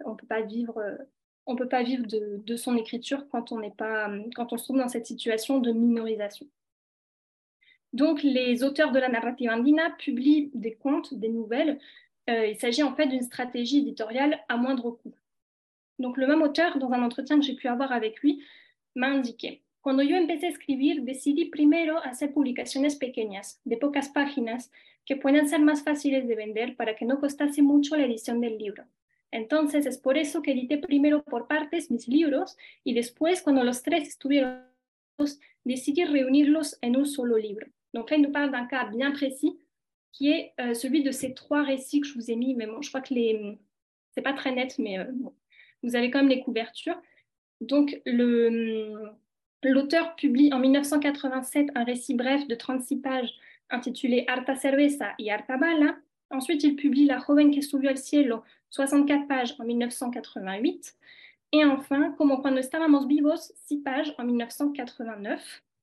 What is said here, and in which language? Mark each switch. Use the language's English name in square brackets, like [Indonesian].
[French] On peut pas vivre de son écriture quand on n'est pas, quand on se trouve dans cette situation de minorisation. Donc les auteurs de la narrativa andina publient des contes, des nouvelles. Il s'agit en fait d'une stratégie éditoriale à moindre coût. Donc le même auteur, dans un entretien que j'ai pu avoir avec lui, m'a indiqué. [Spanish] Cuando yo empecé a escribir, decidí primero hacer publicaciones pequeñas, de pocas páginas, que puedan ser más fáciles de vender para que no costase mucho la edición del libro. Entonces, es por eso que edité primero por partes mis libros y después, cuando los tres estuvieron, decidí reunirlos en un solo libro. [French] Donc là, il nous parle d'un cas bien précis, qui est celui de ces trois récits que je vous ai mis, mais bon, je crois que c'est pas très net, mais bon, vous avez quand même les couvertures. Donc, l'auteur publie en 1987 un récit bref de 36 pages intitulé Harta cerveza y harta bala. Ensuite, il publie La joven que subió al cielo, 64 pages en 1988. Et enfin, comment cuando estábamos vivos, 6 pages en 1989.